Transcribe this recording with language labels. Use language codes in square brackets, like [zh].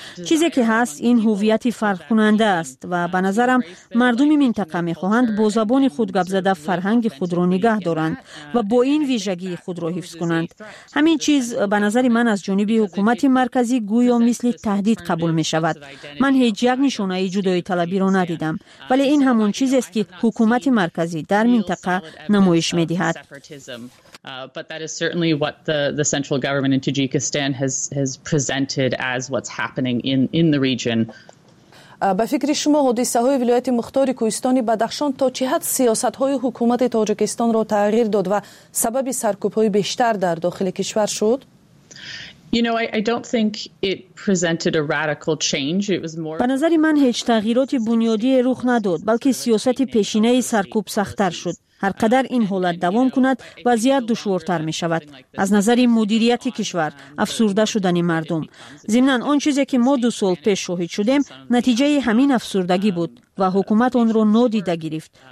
[fa] چیزی که هست این هویت فرق کننده است و به نظرم مردم منطقه می خواهند با زبان خود گپ زده فرهنگ خود را نگه دارند و با این ویژگی خود را حفظ کنند. همین چیز به نظر من از جانب حکومت مرکزی گویا مثل تهدید قبول می شود. من هیچ یک نشانه جدایی طلبی را ندیدم، ولی این همون چیز است که حکومت مرکزی در منطقه نمایش می دهد. [en] But that is certainly what the central government in Tajikistan has presented as what's happening in the region. [fa] به فکر شما حادثه های ولایت مختار کوهستان بدخشان تا چه حد سیاست های حکومت تاجیکستان را تغییر داد و سبب سرکوب های بیشتر در داخل کشور شد؟ [en] I don't think it presented a radical change. It was more. [fa] به نظر من هیچ تغییرات بنیادی رخ نداد، بلکه سیاست پیشینه سرکوب سخت‌تر شد. هر قدر این حالت دوام کند وضعیت دشوارتر می شود. از نظر مدیریت کشور، افسرده شدن مردم. ضمن آن چیزی که ما دو سال پیش شاهد شدیم نتیجه همین افسردگی بود و حکومت آن را نادیده گرفت.